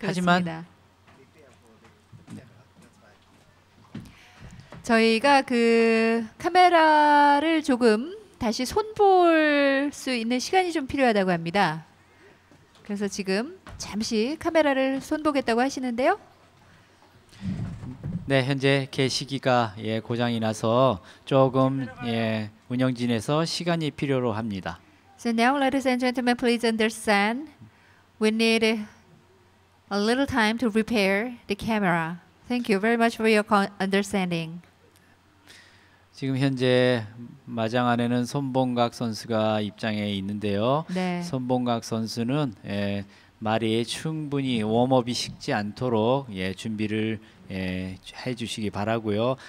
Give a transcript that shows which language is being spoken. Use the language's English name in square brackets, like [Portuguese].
[Korean] 하지만 저희가 그 카메라를 조금 다시 손볼 수 있는 시간이 좀 필요하다고 합니다. 그래서 지금 잠시 카메라를 손보겠다고 하시는데요. 네, 현재 계시기가 고장이 나서 조금 운영진에서 시간이 필요로 합니다. [English] So now, ladies and gentlemen, please understand. We need a little time to repair the camera. Thank you very much for your understanding. [Korean] 지금 현재 마장 안에는 손봉각 선수가 입장해 있는데요. 네. 손봉각 선수는 말이 충분히 웜업이 식지 않도록 준비를 해주시기 바라고요.